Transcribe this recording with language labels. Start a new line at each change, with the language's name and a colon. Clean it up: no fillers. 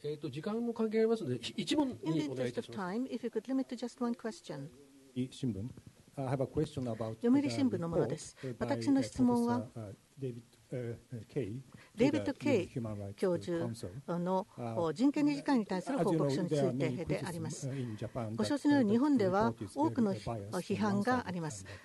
Japanese: 時間も関係ありますので一問にお願いいたします。
English: In the interest of time, if you could limit to just one question. 新聞 I have a question about
Japanese: 読売新聞のものです。私の質問はデイビッド・ケイ教授の人権理事会に対する報告書についてであります。ご承知のように日本では多くの批判があります。